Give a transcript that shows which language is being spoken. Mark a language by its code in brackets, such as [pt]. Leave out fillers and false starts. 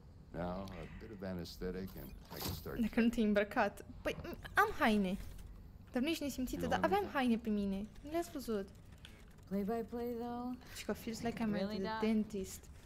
[en] Now, a bit of anesthetic and I can start. [ro] Dacă nu te-ai îmbrăcat. Păi, am haine. Dar nu ești nesimțită, dar aveam haine pe mine. Nu le-ați văzut. [en] Play by play though. She got feels like I'm really a dentist.